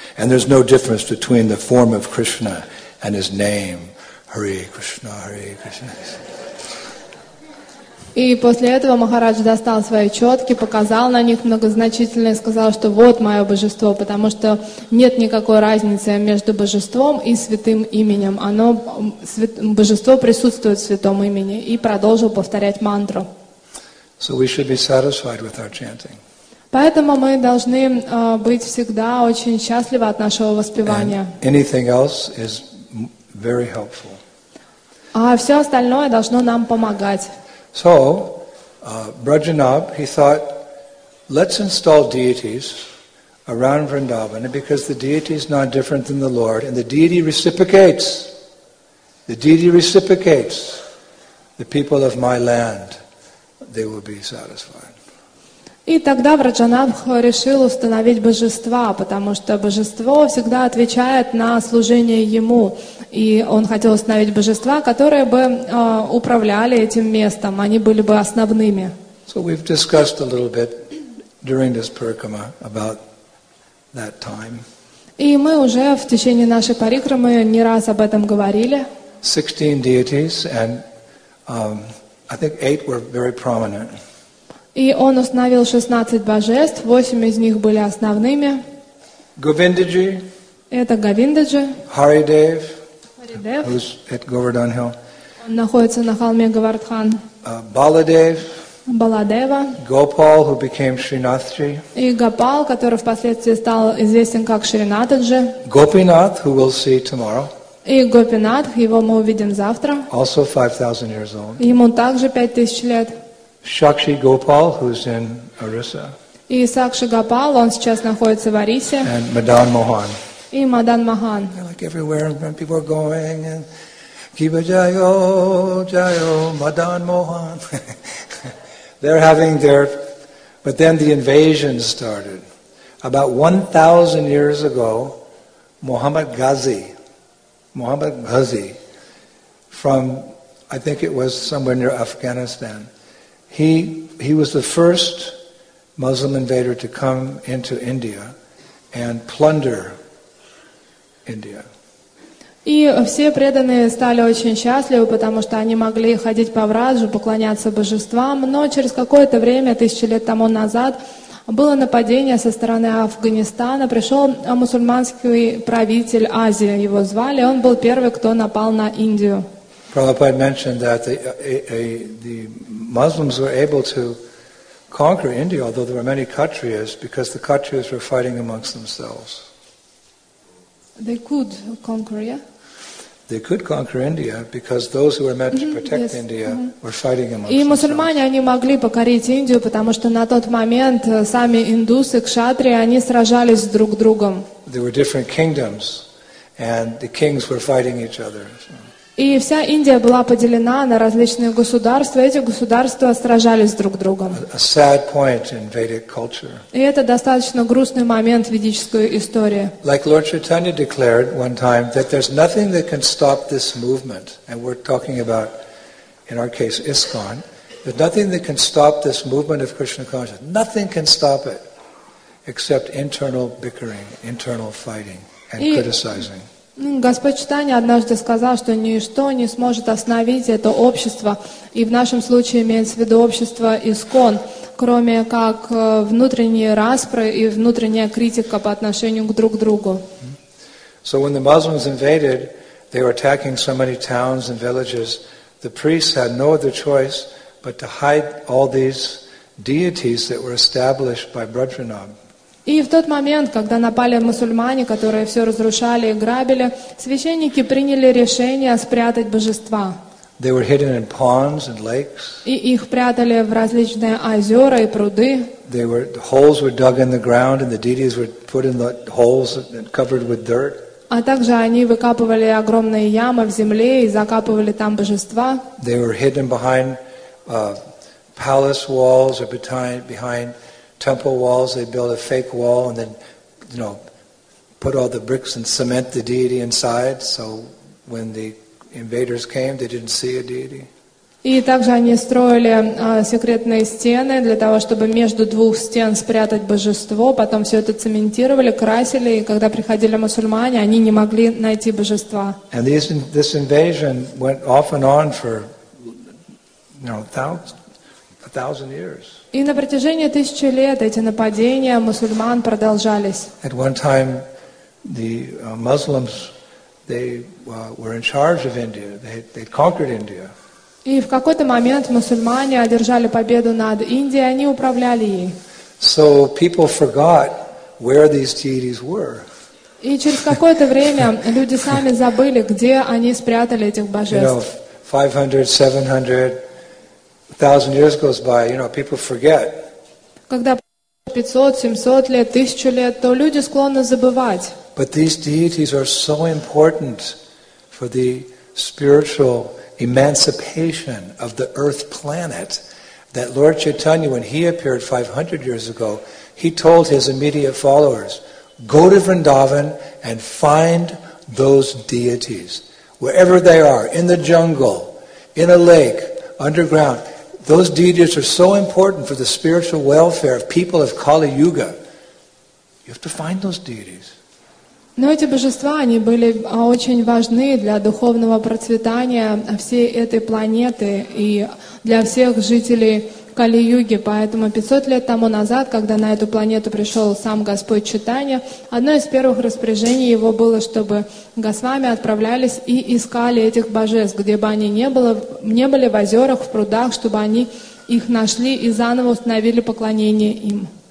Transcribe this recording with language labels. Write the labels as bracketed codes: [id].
[en] And there's no difference between the form of Krishna and his name. Hare Krishna, Hare Krishna. [ru] И после этого Махарадж достал свои четки, показал на них многозначительно и сказал, что вот мое божество, потому что нет никакой разницы между божеством и святым именем. Оно, божество присутствует в святом имени. И продолжил повторять мантру. [en] So we should be satisfied with our chanting. [ru] Поэтому мы должны быть всегда очень счастливы от нашего воспевания. [en] And anything else is very helpful. [ru] А все остальное должно нам помогать. [en] So, Brajanab, he thought, let's install deities around Vrindavan because the deity is not different than the Lord and the deity reciprocates. The deity reciprocates. The people of my land, they will be satisfied. [ru] И тогда Брajanab решил установить божества, потому что божество всегда отвечает на служение ему. И он хотел установить божества, которые бы управляли этим местом, они были бы основными. [en] So we've discussed a little bit during this parikrama about that time. [ru] И мы уже в течение нашей парикрамы не раз об этом говорили. [en] 16 deities and I think 8 were very prominent. [ru] И он установил 16 божеств, 8 из них были основными. [en] Govindaji. [ru] Это Govindaji. [en] Haridev. Who's at Govardhan Hill? [ru] Он находится на холме Говардхан. Баладев. Баладева. [en] Gopal, who became Srinathji. [ru] И Гопал, который впоследствии стал известен как Шринатаджи. [en] Gopinath, who we'll see tomorrow. [ru] И Гопинат, его мы увидим завтра. [en] Also 5,000 years old. [ru] Ему также 5,000 лет. [en] Shakshi Gopal, who's in Orissa. [ru] И Сакши Гопал, он сейчас находится в Орисе. [en] And Madan Mohan. [ru] И Мадан Махан. [en] They're like everywhere, and people are going and Kiva Jayo, Jayo, Madan Mohan. They're having their, but then the invasion started. About 1,000 years ago, Muhammad Ghazi, from I think it was somewhere near Afghanistan. He was the first Muslim invader to come into India and plunder. India. [ru] И все преданные стали очень счастливы, потому что они могли ходить по Враджу, поклоняться божествам, но через какое-то время, тысячи лет тому назад, было нападение со стороны Афганистана, пришел мусульманский правитель Азии, его звали, он был первый, кто напал на Индию. [en] Prabhupada mentioned that the Muslims were able to conquer India, although there were many Kshatriyas, because the Kshatriyas were fighting amongst themselves. They could conquer, yeah? They could conquer India because those who were meant to protect mm-hmm, yes. India mm-hmm. were fighting amongst themselves. [ru] И мусульмане, они могли покорить Индию, потому что на тот момент сами индусы, кшатри, они сражались друг с другом. [en] There were different kingdoms and the kings were fighting each other. [ru] И вся Индия была поделена на различные государства, эти государства сражались друг с другом. [en] A sad point in Vedic culture. [ru] И это достаточно грустный момент в ведической истории. [en] Like Lord Chaitanya declared one time that there's nothing that can stop this movement, and we're talking about, in our case, ISKCON, there's nothing that can stop this movement of Krishna consciousness. Nothing can stop it, except internal bickering, internal fighting, and criticizing. [ru] Господь Чайтанья однажды сказал, что ничто не сможет остановить это общество, и в нашем случае имеется в виду общество ИСКОН, кроме как внутренние распры и внутренняя критика по отношению к друг другу. [en] So when the Muslims invaded, they were attacking so many towns and villages, the priests had no other choice but to hide all these deities that were established by Brajvanab. [ru] И в тот момент, когда напали мусульмане, которые все разрушали и грабили, священники приняли решение спрятать божества. [en] They were hidden in ponds and lakes. [ru] И их прятали в различные озера и пруды. [en] Holes were dug in the ground, and the deities were put in the holes and covered with dirt. [ru] А также они выкапывали огромные ямы в земле и закапывали там божества. [en] They were hidden behind palace walls or behind temple walls. They built a fake wall and then, you know, put all the bricks and cement the deity inside. So when the invaders came, they didn't see a deity. [ru] И также они строили секретные стены для того, чтобы между двух стен спрятать божество. Потом все это цементировали, красили, и когда приходили мусульмане, они не могли найти божества. [en] And this invasion went off and on for, you know, a thousand years. [ru] И на протяжении тысячи лет эти нападения мусульман продолжались. [en] At one time, the Muslims, they were in charge of India. They conquered India. [ru] И в какой-то момент мусульмане одержали победу над Индией, они управляли ей. [en] So people forgot where these deities were. [ru] И через какое-то время люди сами забыли, где они спрятали этих божеств. [en] You know, 500, 700, 1,000 years goes by, you know, people forget. [ru] Когда 500, 700 лет, 1,000 лет, то люди склонны забывать. [en] But these deities are so important for the spiritual emancipation of the earth planet that Lord Chaitanya, when he appeared 500 years ago, he told his immediate followers, go to Vrindavan and find those deities. Wherever they are, in the jungle, in a lake, underground, those deities are so important for the spiritual welfare of people of Kali Yuga. You have to find those deities. [ru] Но эти божества, они были очень важны для духовного процветания всей этой планеты и для всех жителей Кали-Юги. Поэтому 500 лет тому назад, когда на эту планету пришел сам Господь Чайтанья, одно из первых распоряжений его было, чтобы госвами отправлялись и искали этих божеств, где бы они не были в озерах, в прудах, чтобы они их нашли и заново установили поклонение им.